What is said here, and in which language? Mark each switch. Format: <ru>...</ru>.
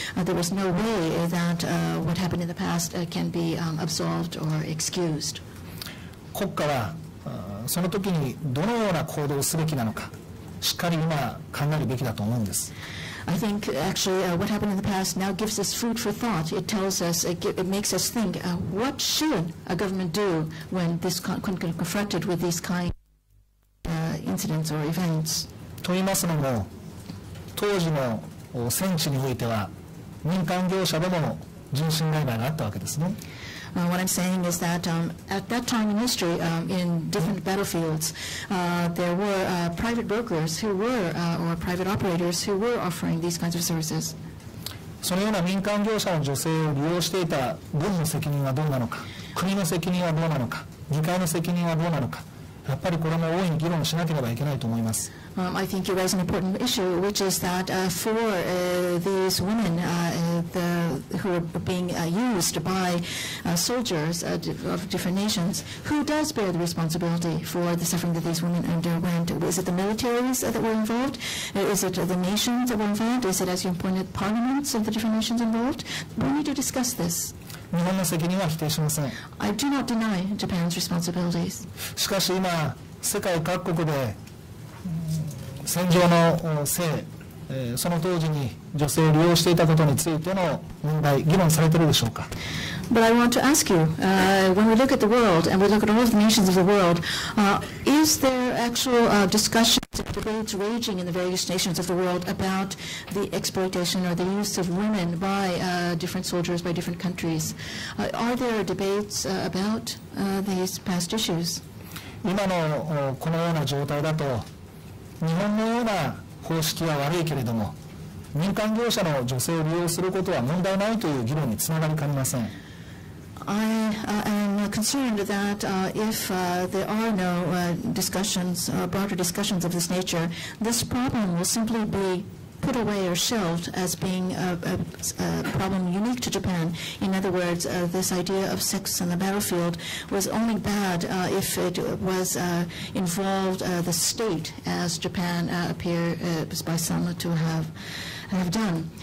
<en>There was no way that what happened in the past can be absolved or excused.</en> <ja>国家はその時にどのような行動をすべきなのか、しっかり今考えるべきだと思うんです。</ja> <en>I think actually what happened in the past now gives us food for thought. It tells us, it makes us think, what should a government do when this confronted with these kind of incidents or events?</en> <ja>と言いますのも、当時の戦地においては民間業者でも人身売買があったわけですね。</ja> <en>What I'm saying is that at that time in history, in different battlefields, there were private brokers who were, or private operators who were offering these kinds of services.</en> <ja>そのような民間業者の女性を利用していた軍の責任はどうなのか、国の責任はどうなのか、議会の責任はどうなのか、やっぱりこれも大いに議論しなければいけないと思います。</ja> <en>I think you raise an important issue, which is that for these women who are being used by soldiers of different nations, who does bear the responsibility for the suffering that these women underwent? Is it the militaries that were involved? Is it the nations that were involved? Is it, as you pointed, parliaments of the different nations involved? We need to discuss this.</en> <ja>日本の責任は否定しません。</ja> <en>I do not deny Japan's responsibilities.</en> <ja>しかし今、世界各国で戦場の性、その当時に女性を利用していたことについての問題、議論されているでしょうか。</ja> <en>But I want to ask you, when we look at the world and we look at all the nations of the world, is there actual discussions and debates raging in the various nations of the world about the exploitation or the use of women by different soldiers, by different countries? Are there debates about these past issues?</en> <ja>今のこのような状態だと日本のような方式は悪いけれども、民間業者の女性を利用することは問題ないという議論につながりかねません。</ja> <en>I am concerned that if there are no discussions, broader discussions of this nature, this problem will simply be put away or shelved as being a problem unique to Japan. In other words, this idea of sex on the battlefield was only bad if it was involved the state, as Japan appears by some to have done.</en>